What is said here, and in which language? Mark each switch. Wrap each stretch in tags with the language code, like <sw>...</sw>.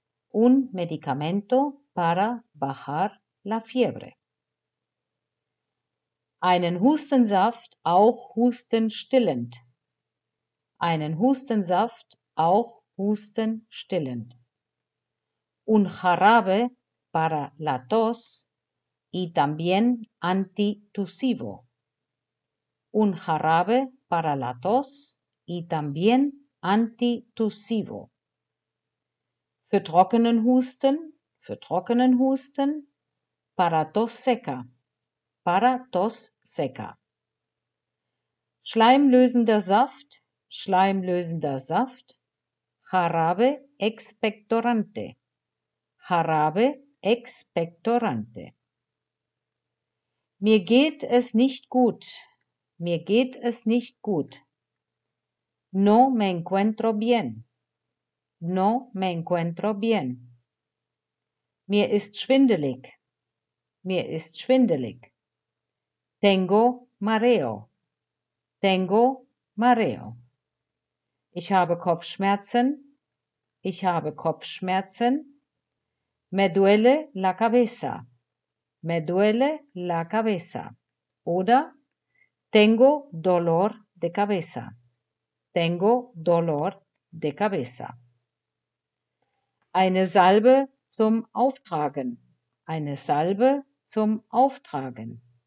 <es>Un medicamento para bajar la fiebre.</es> <de>Einen Hustensaft, auch hustenstillend. Einen Hustensaft, auch hustenstillend.</de> <es>Un jarabe para la tos y también antitusivo. Un jarabe para la tos y también antitusivo.</es> <de>Für trockenen Husten,</de> <es>para tos seca, para tos seca.</es> <de>Schleimlösender Saft,</de> <es>jarabe expectorante, jarabe expectorante.</es> <de>Mir geht es nicht gut, mir geht es nicht gut.</de> <es>No me encuentro bien, no me encuentro bien.</es> <de>Mir ist schwindelig.</de> <es>Tengo mareo, tengo mareo.</es> <de>Ich habe Kopfschmerzen.</de> <es>Me duele la cabeza.</es> <de>Oder</de> <es>tengo dolor de cabeza, tengo dolor de cabeza.</es> <de>Eine Salbe zum Auftragen. Eine Salbe zum Auftragen.</de>